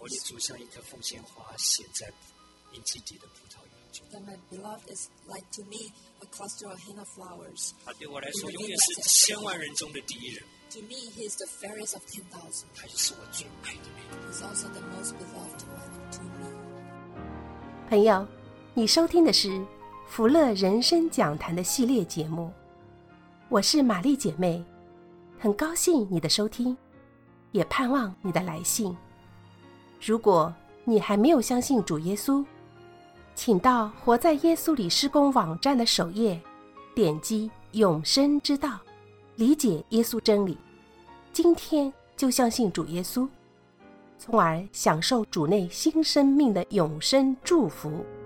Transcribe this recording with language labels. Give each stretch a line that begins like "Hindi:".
Chinese: 我的主像一颗凤仙花，现在 in 基底的葡萄园中。
English: That my beloved is like to me a cluster of henna flowers.
Chinese: 他对我来说永远是千万人中的第一人。
English: To me, he is the fairest of 10,000.
Chinese: 他就是我最爱的人。
English: He's also the most beloved one to me.
Chinese: 朋友，你收听的是福乐人生讲坛的系列节目，我是玛丽姐妹，很高兴你的收听，也盼望你的来信。如果你还没有相信主耶稣，请到活在耶稣里施工网站的首页，点击永生之道，理解耶稣真理，今天就相信主耶稣，从而享受主内新生命的永生祝福。